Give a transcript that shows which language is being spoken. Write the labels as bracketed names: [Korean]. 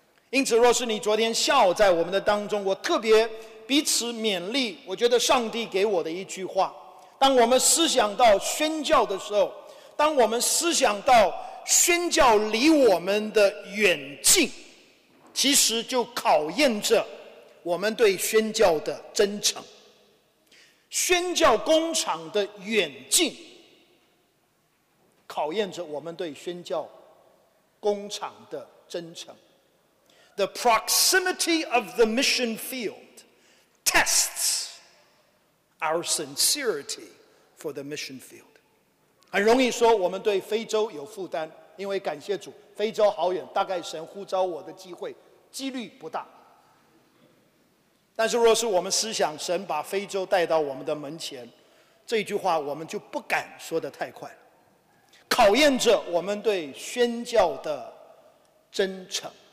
[Chinese] 因此，若是你昨天下午在我们的当中，我特别彼此勉励，我觉得上帝给我的一句话，当我们思想到宣教的时候，当我们思想到宣教离我们的远近，其实就考验着我们对宣教的真诚。宣教工厂的远近考验着我们对宣教工厂的真诚。 [English] The proximity of the mission field tests our sincerity for the mission field. [Chinese] 很容易说我们对非洲有负担，因为感谢主，非洲好远，大概神呼召我的机会几率不大。但是若是我们思想神把非洲带到我们的门前，这句话我们就不敢说得太快了，考验着我们对宣教的真诚。